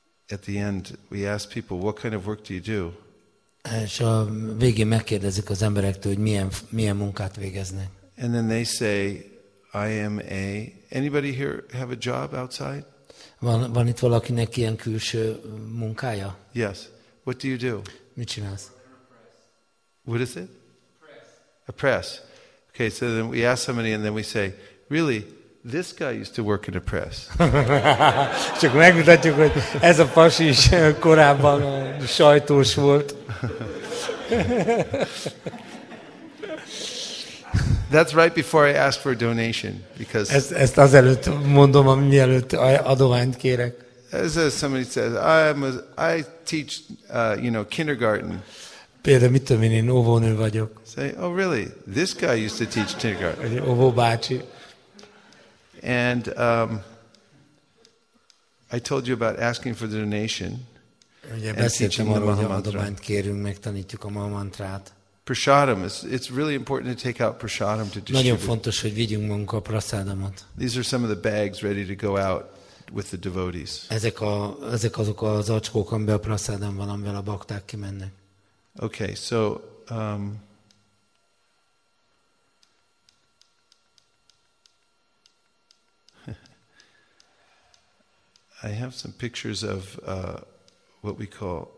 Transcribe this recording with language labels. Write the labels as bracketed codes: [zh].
[en] At the end, we ask people, what kind of work do you do? [hu] És a végén megkérdezik az emberektől, hogy milyen munkát végeznek. [en] And then they say, I am a. Anybody here have a job outside? [hu] Van itt valakinek ilyen külső munkája? [en] Yes. What do you do? [hu] Mit csinálsz? [en] What is it? A press. Okay, so then we ask somebody and then we say, really, this guy used to work in a press. [hu] Csak megmutatjuk, hogy ez a pasi is korábban sajtós volt. [en] That's right before I ask for a donation because. [hu] Ezt azelőtt mondom, mielőtt adományt kérek. [en] As somebody says, I teach, kindergarten. [hu] Például mit tudom én óvónő vagyok. [en] Say, oh really? This guy used to teach kindergarten. [hu] Óvó bácsi. [en] And I told you about asking for the donation. [hu] Ugye beszéltem arról, hogy adományt kérünk, megtanítjuk a Mahamantrát. [en] Prasadam. It's really important to take out prasadam to distribute. [hu] Nagyon fontos, hogy vigyünk magunkra a prasadamot. [en] These are some of the bags ready to go out with the devotees. [hu] Ezek azok az acskók, amiben a prasadam van, amivel a bakták kimennek. [en] Okay, so I have some pictures of what we call.